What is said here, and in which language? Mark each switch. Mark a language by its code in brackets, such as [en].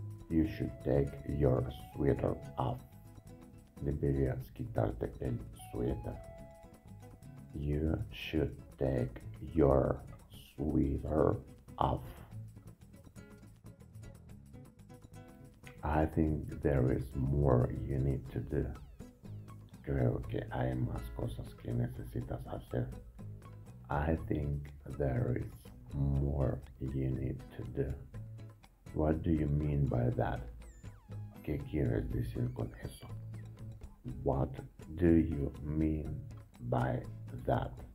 [en] You should take your sweater off. [es] Deberías quitarte el suéter. [en] You should take your sweater off. I think there is more you need to do. [es] Creo que hay más cosas que necesitas hacer. [en] I think there is more you need to do. What do you mean by that? [es] ¿Qué quieres decir con eso? [en] What do you mean by that?